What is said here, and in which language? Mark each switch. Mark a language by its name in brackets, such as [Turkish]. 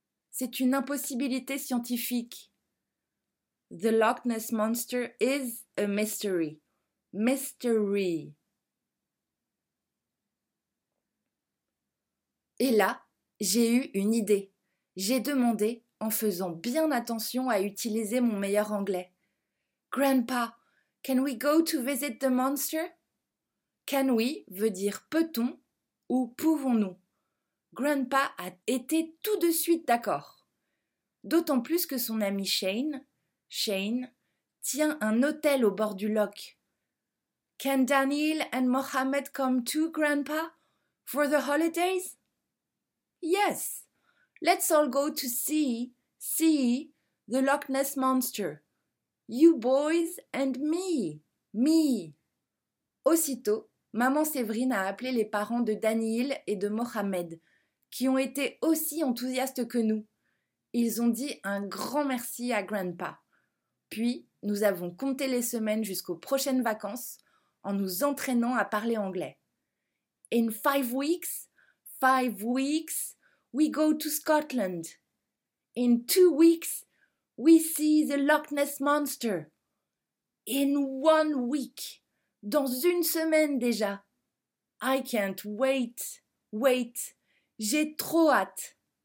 [French] C'est une impossibilité scientifique. [English] The Loch Ness Monster is a mystery. Mystery. [French] Et là, j'ai eu une idée. J'ai demandé, en faisant bien attention à utiliser mon meilleur anglais. [English] Grandpa, can we go to visit the monster? Can we [French] veut dire peut-on ou pouvons-nous? Grandpa a été tout de suite d'accord. D'autant plus que son ami Shane, tient un hôtel au bord du loch. [English] Can Daniel and Mohamed come too, Grandpa, for the holidays? Yes, let's all go to see the Loch Ness Monster. You boys and me. [French] Aussitôt, maman Séverine a appelé les parents de Daniel et de Mohamed, qui ont été aussi enthousiastes que nous. Ils ont dit un grand merci à Grandpa. Puis, nous avons compté les semaines jusqu'aux prochaines vacances en nous entraînant à parler anglais. [English] In five weeks, we go to Scotland. In 2 weeks, we see the Loch Ness Monster. In 1 week, [French] dans une semaine déjà. [English] I can't wait, [French] j'ai trop hâte.